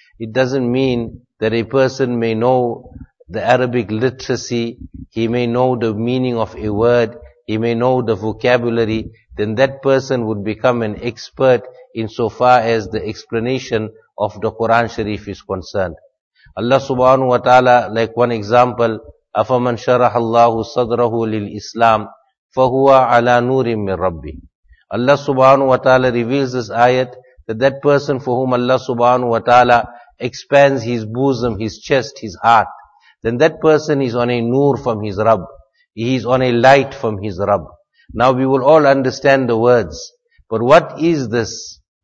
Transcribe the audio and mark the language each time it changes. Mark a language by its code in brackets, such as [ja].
[en] It doesn't mean that a person may know the Arabic literacy, he may know the meaning of a word, he may know the vocabulary, then that person would become an expert in so far as the explanation of the Quran Sharif is concerned. [ar] Allah subhanahu wa ta'ala, [en] like one example, [ar] أَفَمَنْ شَرَحَ اللَّهُ صَدْرَهُ لِلْإِسْلَامِ فَهُوَ عَلَى نُورٍ مِّن رَبِّهِ. [en] Allah subhanahu wa ta'ala reveals this ayat that that person for whom Allah subhanahu wa ta'ala expands his bosom, his chest, his heart, then that person is on a noor from his Rabb. He is on a light from his Rabb. Now we will all understand the words, but what is this?